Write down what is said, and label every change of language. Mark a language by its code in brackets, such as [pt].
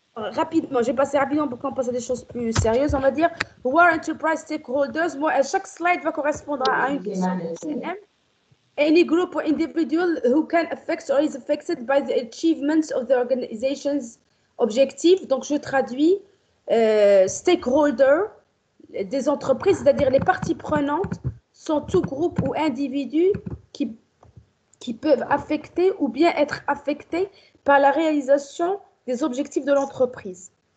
[fr] Je passe rapidement pour qu'on passe à des choses plus sérieuses. On va dire [en] who are enterprise stakeholders. [fr] Moi, chaque slide va correspondre à une question. [en] Any group or individual who can affect or is affected by the achievements of the organization's objective. [fr] Donc, je traduis stakeholder, des entreprises, c'est-à-dire les parties prenantes, sont tout groupe ou individu qui peuvent affecter ou bien être affectés par la réalisation des objectifs de l'entreprise.